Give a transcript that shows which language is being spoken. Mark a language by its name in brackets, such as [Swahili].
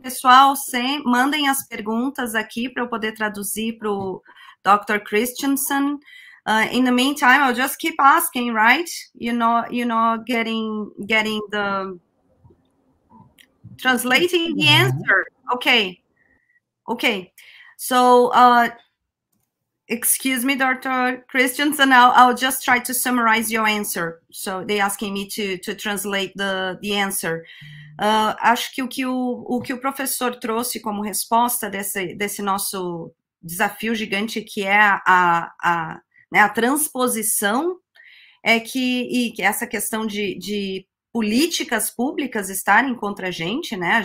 [Portuguese] Pessoal, mandem as perguntas aqui para eu poder traduzir para o Dr. Kristjansson. [English] In the meantime, I'll just keep asking, right? You know, getting the translating the answer. Okay. So, excuse me, Dr. Kristjansson, I'll just try to summarize your answer. So, they're asking me to translate the answer. [Portuguese] Acho que o que o professor trouxe como resposta desse nosso desafio gigante, que é a transposição, é que, e que essa questão de políticas públicas estarem contra a gente, né?